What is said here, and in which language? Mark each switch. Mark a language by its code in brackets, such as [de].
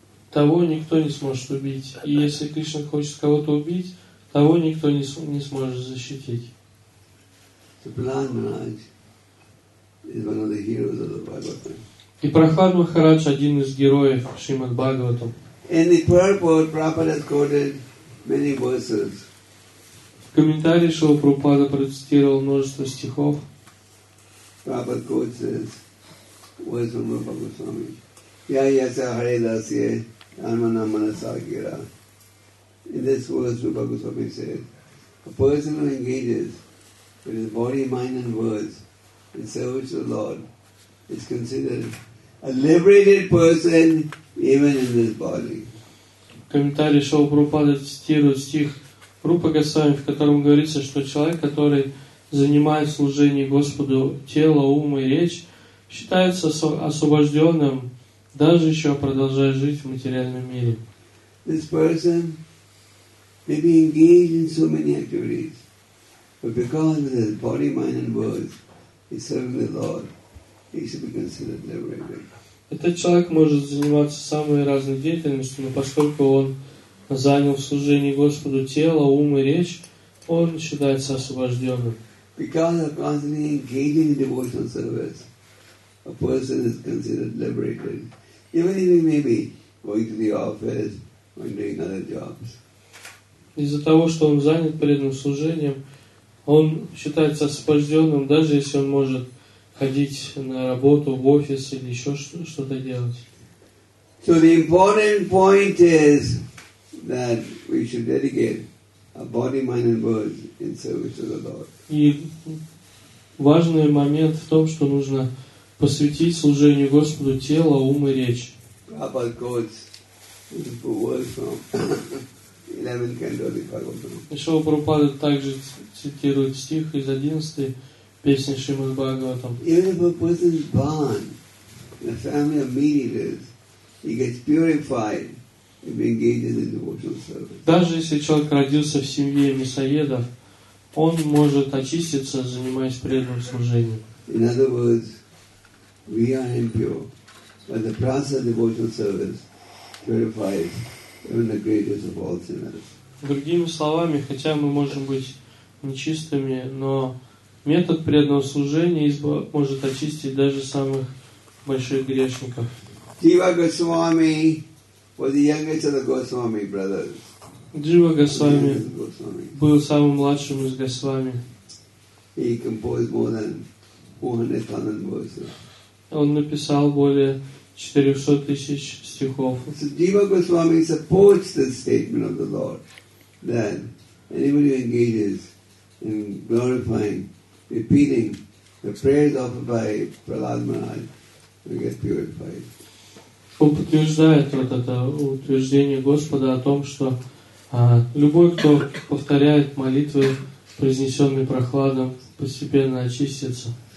[ru] того никто не сможет убить. И если Кришна хочет кого-то убить, того никто не сможет защитить. [en] Prahlad Maharaj is one of the heroes of the Bhagavatam. [ru] И Прохлад Махарадж один из героев Шримад Бхагаватам. [en] In the purport, Prabhupada has quoted many verses. [ru] В комментарии Шрила Прабхупада процитировал множество стихов. [en] Prabhupada quotes this verse from Rupa Goswami. Yayasa Hare Dasye Anmana Manasagira. In this verse, Rupa Goswami said, a person who engages with his body, mind, and words in service to the Lord is considered a liberated person even in this body. [ru] Комментарий Шрилы Прабхупады цитирует стих Рупы Госвами, в котором говорится, что человек, который занимает служение Господу тело, ум и речь, считается освобожденным, даже еще продолжая жить в материальном мире. [en] This person may be engaged in so many activities, but because of his body, mind, and words, he serves the Lord, he should be considered liberated. [ru] Этот человек может заниматься самой разной деятельностью, но поскольку он занял в служении Господу тело, ум и речь, он считается освобожденным. [en] Because of constantly engaging in devotional service, a person is considered liberated, even if he may be going to the office or doing other jobs. [ru] Из-за того, что он занят преданным служением, он считается освобожденным, даже если он может ходить на работу, в офис или еще что-то делать. [en] So the important point is that we should dedicate our body, mind, and words in service to the Lord. [ru] И важный момент в том, что нужно посвятить служению Господу тело, ум и речь. [en] Prabhupada quotes the words from 11th canto of the Bhagavatam. [ru] И Шрила Прабхупада также цитирует стих из 11-й песни Шримад Бхагаватам. [en] Even if a person is born in a family of meat eaters, he gets purified if he engages in devotional service. [ru] Даже если человек родился в семье мясоедов, он может очиститься, занимаясь преданным служением. [en] In other words, we are impure, but the process of devotional service purifies even the greatest of all sinners. [ru] Другими словами, хотя мы можем быть нечистыми, но метод преданного служения может очистить даже самых больших грешников. [en] Джива Госвами was the youngest of the Госвами brothers. [ru] Джива Госвами был самым младшим из Госвами. [en] He composed more than 400,000 verses. [ru] Он написал более 400,000 стихов. [en] So Джива Госвами supports the statement of the Lord that anybody who engages in glorifying, repeating the prayers offered by Prahlad Maharaj, we get purified. [ru] Он подтверждает вот это утверждение Господа о том, что любой, кто повторяет молитвы, произнесенные Прохладом, постепенно очистится.